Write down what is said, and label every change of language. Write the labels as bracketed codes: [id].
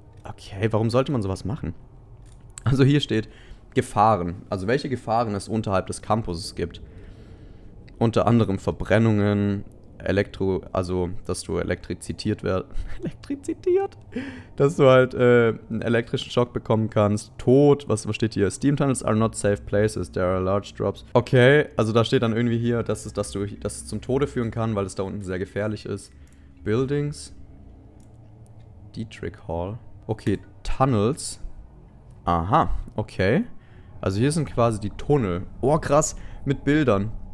[de] Okay, warum sollte man sowas machen? Also hier steht Gefahren. Also welche Gefahren es unterhalb des Campuses gibt. unter anderem Verbrennungen, also dass du elektrizitiert werden, elektrizitiert, dass du halt einen elektrischen Schock bekommen kannst. Tod, was steht hier? [en] Steam Tunnels are not safe places, there are large drops. [de] Okay, also da steht dann irgendwie hier, dass es zum Tode führen kann, weil es da unten sehr gefährlich ist. [en] Buildings. Dietrich Hall. [de] Okay, Tunnels. Aha, okay. Also hier sind quasi die Tunnel. Oh, krass, mit Bildern.